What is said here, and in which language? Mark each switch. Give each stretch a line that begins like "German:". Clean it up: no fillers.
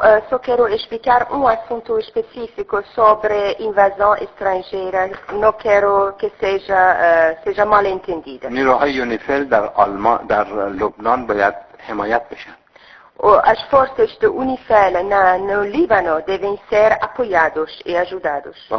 Portuguese: Só quero explicar assunto específico sobre invasão estrangeira. Não quero que seja mal entendida.
Persian: نیروهای یونیفل در آلمان در لبنان باید حمایت بشن.
Portuguese: as forças do UNIFEL no Líbano devem ser apoiadas e ajudadas.